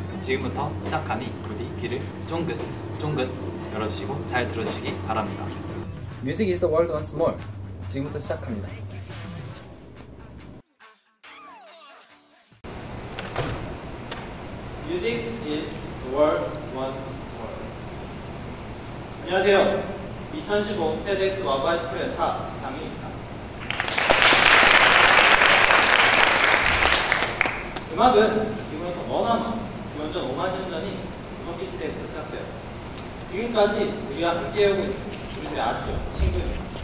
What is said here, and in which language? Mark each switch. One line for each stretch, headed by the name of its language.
Korean: 지금부터 시작하니 부디 귀를 쫑긋 쫑긋 열어주시고 잘 들어주시기 바랍니다.
English: Music is the world once more.
Korean: 지금부터 시작합니다.
English: 뮤직 is the world once more.
Korean: 안녕하세요. 2015 테드엑스 와우 하이스쿨 연사 장민입니다. 음악은 지금부터 워낙 기원전 5만 년 전인 음악의 시대부터 시작돼요. 지금까지 우리가 함께하고 있는 분들이 아시죠? 친구입니다.